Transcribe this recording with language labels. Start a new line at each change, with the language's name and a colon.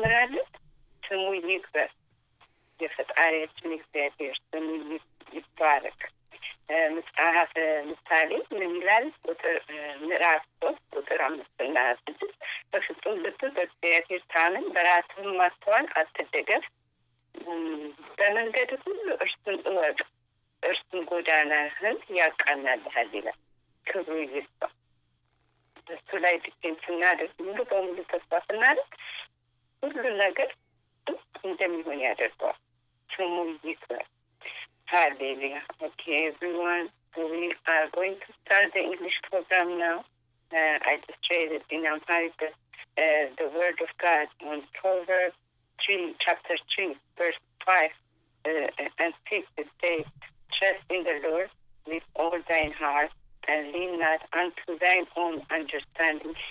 English: I mean, I'm going to be a little bit of a problem.
Amharic: የፈጣሪያችን እግዚአብሔር ስሙ ይባረክ። መጽሐፈ ምሳሌ ምን ይላል? ምዕራፍ 3 ቁጥር 5-6 በፍጹም ልብ በእግዚአብሔር ታመን፣ በራስህም ማስተዋል አትደገፍ። በመንገድ ሁሉ እርሱን እወቅ፣ እርሱን ጎዳናህን ያቃናልሃል ይላል። ክብሩ ይስፋ። እሱ ላይ ዲፔንድ ስናደርግ፣ ሙሉ በሙሉ ተስፋ ስናደርግ ሁሉ ነገር እንደሚሆን ያደርገዋል። Hallelujah.
English: Okay, everyone. We are going to start the English program now. I just read it in Amharic, the Word of God on Proverbs 3, chapter 3, verse 5 and 6. It says, trust in the Lord with all thine heart and lean not unto thine own understanding.